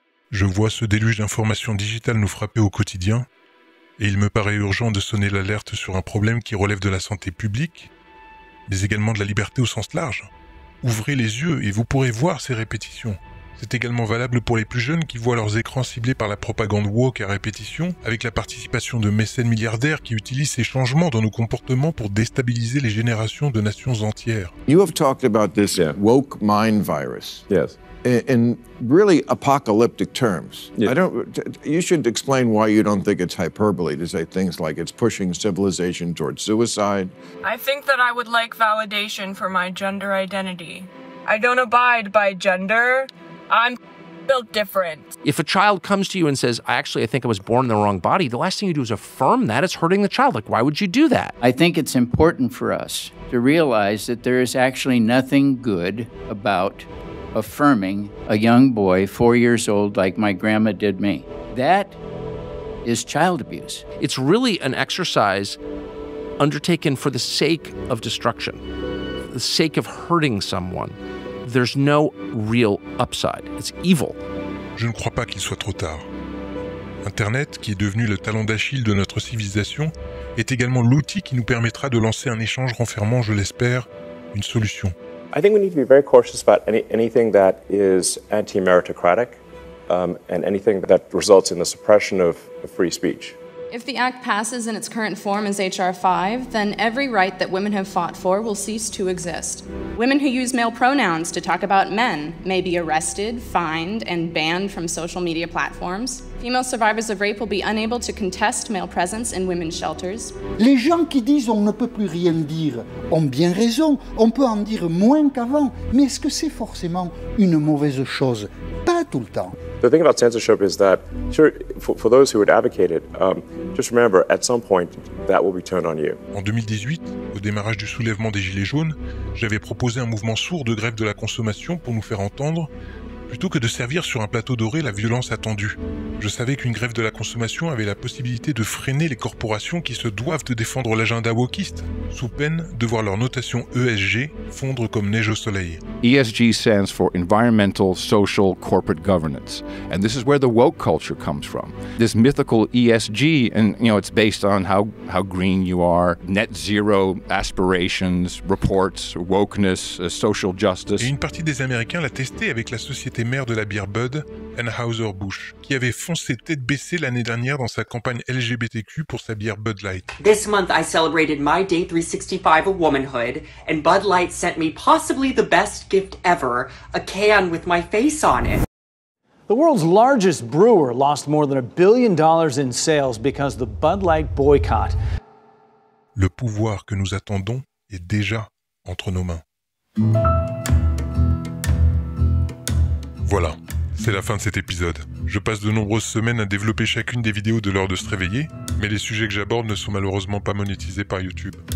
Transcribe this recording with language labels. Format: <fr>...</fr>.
<fr>Je vois ce déluge d'informations digitales nous frapper au quotidien. Et il me paraît urgent de sonner l'alerte sur un problème qui relève de la santé publique, mais également de la liberté au sens large. Ouvrez les yeux et vous pourrez voir ces répétitions. C'est également valable pour les plus jeunes qui voient leurs écrans ciblés par la propagande woke à répétition, avec la participation de mécènes milliardaires qui utilisent ces changements dans nos comportements pour déstabiliser les générations de nations entières.</fr> <en>You have talked about this woke mind virus. Yes. In really apocalyptic terms, yeah. You should explain why you don't think it's hyperbole to say things like it's pushing civilization towards suicide. I think that I would like validation for my gender identity. I don't abide by gender. I'm built different. If a child comes to you and says, I think I was born in the wrong body, the last thing you do is affirm that. It's hurting the child. Like, why would you do that? I think it's important for us to realize that there is actually nothing good about affirming a young boy 4 years old like my grandma did me. That is child abuse. It's really an exercise undertaken for the sake of destruction, for the sake of hurting someone. There's no real upside. It's evil.</en> <fr>Je ne crois pas qu'il soit trop tard. Internet, qui est devenu le talon d'Achille de notre civilisation, est également l'outil qui nous permettra de lancer un échange renfermant, je l'espère, une solution.</fr> <en>I think we need to be very cautious about anything that is anti-meritocratic and anything that results in the suppression of free speech. If the act passes in its current form as HR 5, then every right that women have fought for will cease to exist. Women who use male pronouns to talk about men may be arrested, fined, and banned from social media platforms. Female survivors of rape will be unable to contest male presence in women's shelters.</en> <fr>Les gens qui disent on ne peut plus rien dire ont bien raison. On peut en dire moins qu'avant. Mais est-ce que c'est forcément une mauvaise chose? Pas tout le temps.</fr> <en>The thing about censorship is that, sure, for those who would advocate it, just remember, at some point, that will be turned on you.</en> <fr>En 2018, au démarrage du soulèvement des Gilets jaunes, j'avais proposé un mouvement sourd de grève de la consommation pour nous faire entendre, plutôt que de servir sur un plateau doré la violence attendue. Je savais qu'une grève de la consommation avait la possibilité de freiner les corporations qui se doivent de défendre l'agenda wokiste, sous peine de voir leur notation ESG fondre comme neige au soleil.</fr> <en>ESG stands for Environmental Social Corporate Governance. And this is where the woke culture comes from. This mythical ESG, and you know, it's based on how green you are, net zero aspirations, reports, wokeness, social justice.</en> <fr>Et une partie des Américains l'a testé avec la société était maire de la bière Bud, Anheuser-Busch, qui avait foncé tête baissée l'année dernière dans sa campagne LGBTQ pour sa bière Bud Light.</fr> <en>This month I celebrated my day 365 of womanhood and Bud Light sent me possibly the best gift ever, a can with my face on it. The world's largest brewer lost more than $1 billion in sales because the Bud Light boycott.</en> <fr>Le pouvoir que nous attendons est déjà entre nos mains. Voilà, c'est la fin de cet épisode. Je passe de nombreuses semaines à développer chacune des vidéos de l'heure de se réveiller, mais les sujets que j'aborde ne sont malheureusement pas monétisés par YouTube.</fr>